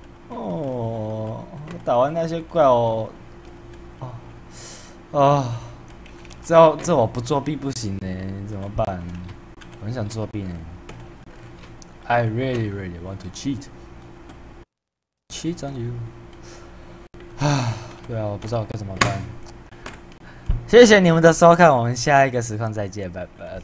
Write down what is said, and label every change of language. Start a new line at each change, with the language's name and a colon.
Chinese: 哦，打完那些怪我，这我不作弊不行呢，怎么办？我很想作弊呢。
English: I really really want to cheat。 Cheat on you！
Chinese: 啊，对啊，我不知道该怎么办。谢谢你们的收看，我们下一个实况再见，拜拜。